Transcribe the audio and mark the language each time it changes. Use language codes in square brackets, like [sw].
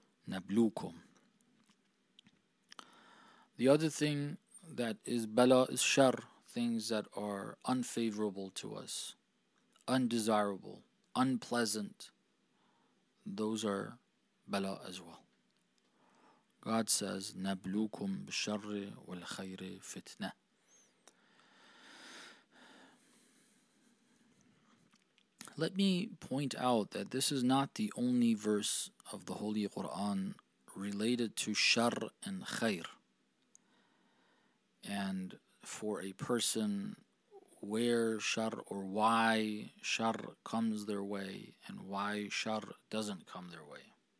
[ar] Nablukum. [en] The other thing that is bala is shar, things that are unfavorable to us, undesirable, unpleasant, those are bala as well. God says, [ar] نَبْلُوكُمْ بِالشَّرِّ وَالْخَيْرِ فِتْنَةً. [en] Let me point out that this is not the only verse of the Holy Quran related to shar and khair. And for a person, where shar or why shar comes their way and why shar doesn't come their way.